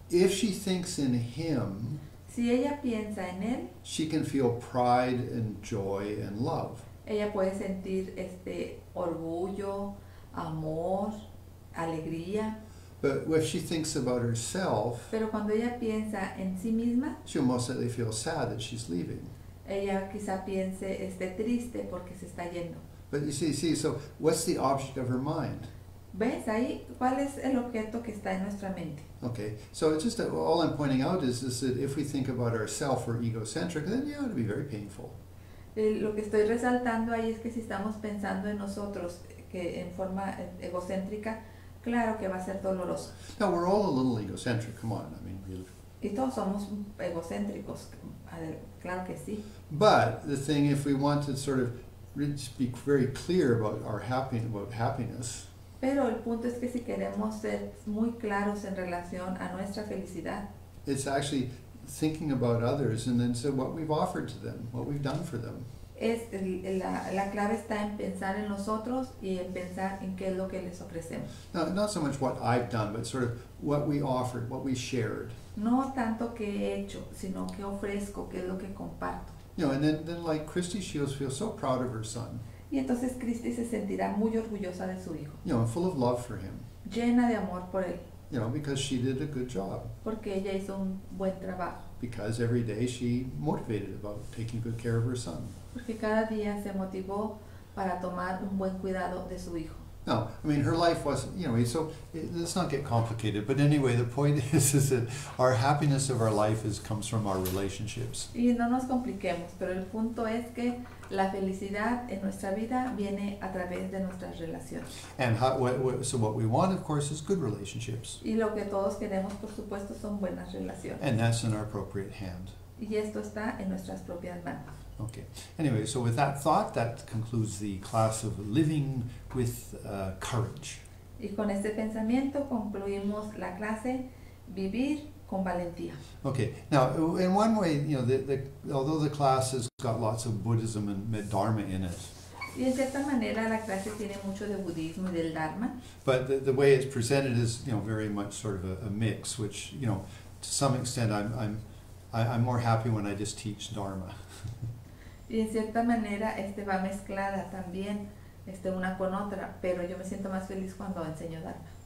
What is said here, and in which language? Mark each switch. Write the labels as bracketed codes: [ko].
[en] If she thinks in him, [es] si ella piensa en él, [en] she can feel pride and joy and love. [es] Ella puede sentir orgullo, amor, alegría. [en] But if she thinks about herself, [es] pero cuando ella piensa en sí misma, [en] she'll most likely feel sad that she's leaving. [es] Ella quizá piense triste porque se está yendo. [en] But you see, so what's the object of her mind? [es] ¿Ves ahí cuál es el objeto que está en nuestra mente? [en] Okay, so it's just that all I'm pointing out is that if we think about ourselves, we're egocentric, then yeah, it'll be very painful. [es] Lo que estoy resaltando ahí es que si estamos pensando en nosotros que en forma egocéntrica, claro que va a ser doloroso. [en] Now we're all a little egocentric, come on, I mean, really. [es] Y todos somos egocéntricos, claro que sí. [en] But the thing, if we want to sort of be very clear about our happiness. [es] Pero el punto es que si queremos ser muy claros en relación a nuestra felicidad. [en] It's actually thinking about others and then so what we've offered to them, what we've done for them. [es] Es la clave está en pensar en nosotros y en pensar en qué es lo que les ofrecemos. [en] No, not so much what I've done, but sort of what we offered, what we shared. [es] No tanto qué he hecho, sino qué ofrezco, qué es lo que comparto. [en] You know, and then like Christy Shields feels so proud of her son. [es] Y entonces Christy se sentirá muy orgullosa de su hijo. [en] You know, and full of love for him. [es] Llena de amor por él. [en] You know, because she did a good job. [es] Porque ella hizo un buen trabajo. [en] Because every day she motivated about taking good care of her son. [es] Porque cada día se motivó para tomar un buen cuidado de su hijo. [en] No, I mean, her life was, let's not get complicated. But anyway, the point is that our happiness of our life comes from our relationships. [es] Y no nos compliquemos, pero el punto es que la felicidad en nuestra vida viene a través de nuestras relaciones. [en] And so what we want, of course, is good relationships. [es] Y lo que todos queremos, por supuesto, son buenas relaciones. [en] And that's in our appropriate hand. [es] Y esto está en nuestras propias manos. [en] Okay. Anyway, so with that thought, that concludes the class of living with courage. [es] Y con este pensamiento concluimos la clase vivir con valentía. [en] Okay. Now, in one way, you know, although the class has got lots of Buddhism and Dharma in it. [es] Y en cierta manera la clase tiene mucho de budismo y del Dharma. [en] But the way it's presented is, you know, very much sort of a mix, which, you know, to some extent, I'm more happy when I just teach Dharma. [es] Y en cierta manera va mezclada también una con otra, pero yo me siento más feliz cuando enseño Dharma.